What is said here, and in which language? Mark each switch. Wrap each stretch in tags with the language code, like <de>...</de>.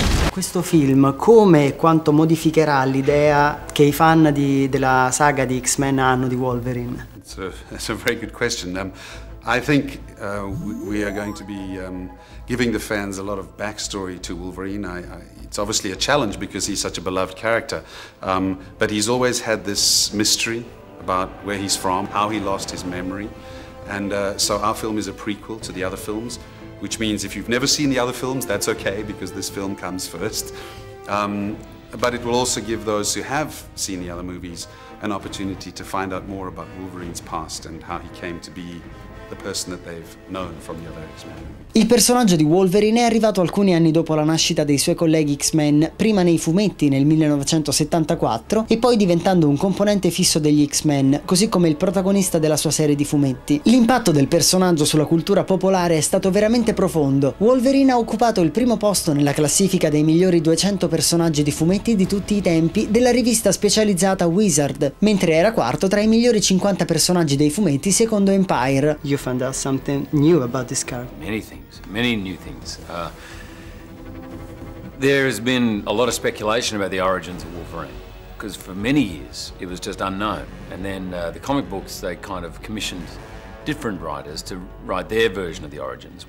<it>Questo film come e quanto modificherà l'idea che i fan della saga di X-Men hanno di Wolverine?</it> <en>It's a very good question. I think we are going to be giving the fans a lot of backstory to Wolverine. It's obviously a challenge because he's such a beloved character, but he's always had this mystery about where he's from, how he lost his memory, and so our film is a prequel to the other films. Which means if you've never seen the other films, that's okay, because this film comes first. But it will also give those who have seen the other movies an opportunity to find out more about Wolverine's past and how he came to be the person that they've known from the other X-Men.</en> <it>Il personaggio di Wolverine è arrivato alcuni anni dopo la nascita dei suoi colleghi X-Men, prima nei fumetti nel 1974 e poi diventando un componente fisso degli X-Men, così come il protagonista della sua serie di fumetti. L'impatto del personaggio sulla cultura popolare è stato veramente profondo. Wolverine ha occupato il primo posto nella classifica dei migliori 200 personaggi di fumetti di tutti i tempi della rivista specializzata Wizard, mentre era quarto tra i migliori 50 personaggi dei fumetti secondo Empire.</it> <en>You found out something new about this character. Many new things. There has been a lot of speculation about the origins of Wolverine, because for many years it was just unknown. And then the comic books, they kind of commissioned different writers to write their version of the origins.</en>